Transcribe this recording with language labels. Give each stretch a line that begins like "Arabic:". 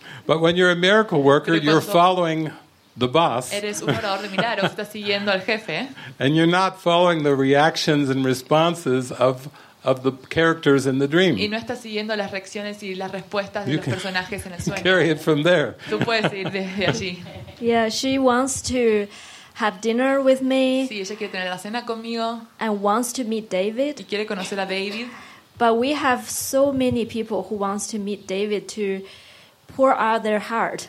English: But when you're a miracle worker, you're following the boss.
Spanish: Eres un orador de milagros, estás siguiendo al jefe.
English: And you're not following the reactions and responses of the characters in the dream.
Spanish: Y no estás siguiendo las reacciones y las respuestas de
English: you
Spanish: los personajes en el sueño.
English: Carry it from there.
Spanish: Tú puedes ir desde allí.
English: Yeah, she wants to have dinner with me.
Spanish: Sí, ella quiere tener la cena conmigo.
English: And wants to meet David.
Spanish: Y quiere conocer a David.
English: But we have so many people who wants to meet David to pour out their heart.